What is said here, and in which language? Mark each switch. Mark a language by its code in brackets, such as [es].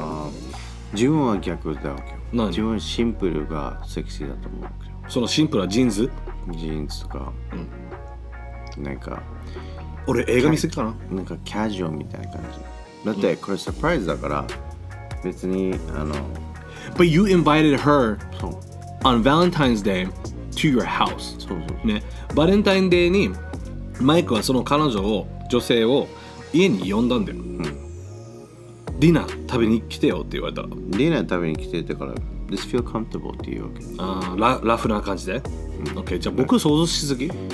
[ja] うん、自分は逆だわけよ、自分シンプルがセクシーだと思うわけよ、そのシンプルはジーンズ、ジーンズとか、うん、なんか俺映画見すぎかな、なんかキャジュアルみたいな感じだって、これサプライズだから別にあの、 [en] But you invited her on Valentine's Day to your house。 [ja] そうそうそう、ね、バレンタインデーにマイクはその彼女を、女性を家に呼んだんだよ、うん、ディナー食べに来てよって言われた、ディナー食べに来てってから [en] This feel comfortable [ja] って言うわけ、あ ラフな感じで、うん、okay、じゃあ僕想像しすぎ、